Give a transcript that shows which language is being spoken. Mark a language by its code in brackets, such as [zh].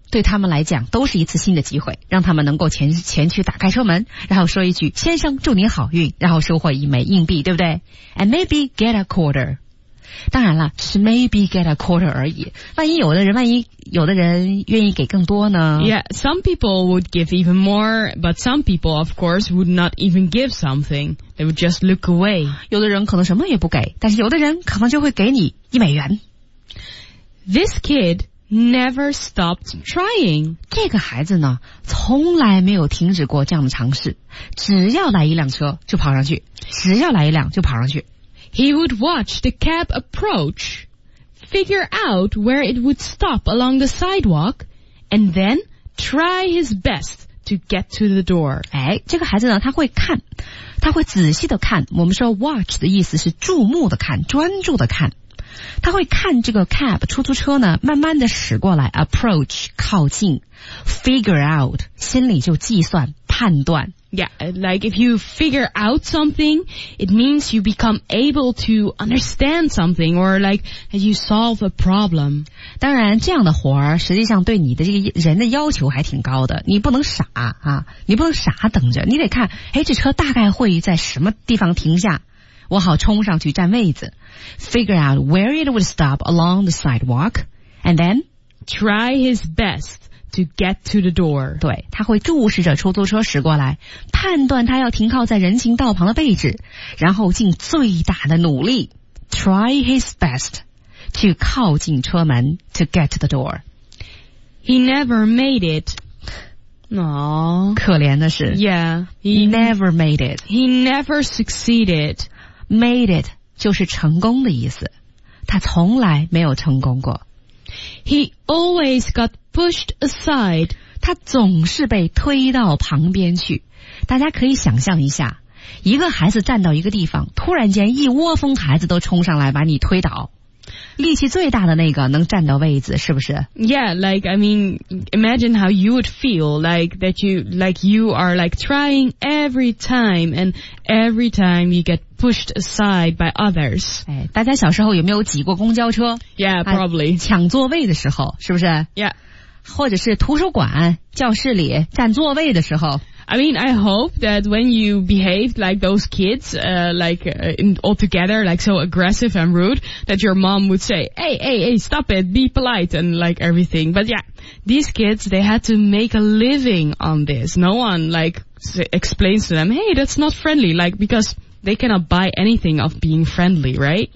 [zh] 对他们来讲都是一次新的机会，让他们能够前去打开车门，然后说一句先生祝您好运，然后收获一枚硬币，对不对？ [en] And maybe get a quarter。 [zh] 当然了，是 [en] maybe get a quarter [zh] 而已。万一有的人愿意给更多呢？ [en] Yeah, some people would give even more, but some people, of course, would not even give something. They would just look away. [zh] 有的人可能什么也不给，但是有的人可能就会给你一美元。 [en] This kid never stopped trying. [zh] 这个孩子呢，从来没有停止过这样的尝试。只要来一辆车就跑上去，只要来一辆就跑上去。 [en] He would watch the cab approach, figure out where it would stop along the sidewalk, and then try his best to get to the door. [zh] 哎，这个孩子呢，他会看，他会仔细的看。我们说 watch 的意思是注目的看，专注的看。他会看这个 cab 出租车呢，慢慢的驶过来 ，approach 靠近 ， [en] figure out [zh] 心里就计算判断。 [en] Yeah, like if you figure out something, it means you become able to understand something or like you solve a problem. [zh] 当然这样的活儿实际上对你的这个人的要求还挺高的。你不能傻啊，你不能傻等着，你得看，诶，这车大概会在什么地方停下，我好冲上去占位子。 [en] Figure out where it would stop along the sidewalk and then try his best. To get to the door. [zh] 对，他会注视着出租车驶过来，判断他要停靠在人行道旁的位置，然后尽最大的努力 ， [en] try his best， [zh] 去靠近车门 ， [en] to get to the door. He never made it. 哦， [zh] 可怜的是 [en] ，Yeah, he never made it. He never succeeded. Made it [zh] 就是成功的意思，他从来没有成功过。 [en] He always got pushed aside. [zh] 他总是被推到旁边去。大家可以想象一下，一个孩子站到一个地方，突然间一窝蜂孩子都冲上来把你推倒。力气最大的那个能站到位子，是不是 [en] ？Yeah, like I mean, imagine how you would feel like that. You are like trying every time, and every time you get pushed aside by others. [zh] 哎，大家小时候有没有挤过公交车 [en] ？Yeah, probably. [zh] 抢座位的时候，是不是 [en] ？Yeah. [zh] 或者是图书馆、教室里占座位的时候。 [en] I mean, I hope that when you behaved like those kids, altogether, like so aggressive and rude, that your mom would say, hey, stop it, be polite, and like everything. But yeah, these kids, they had to make a living on this. No one like explains to them, hey, that's not friendly, like because they cannot buy anything of being friendly, right?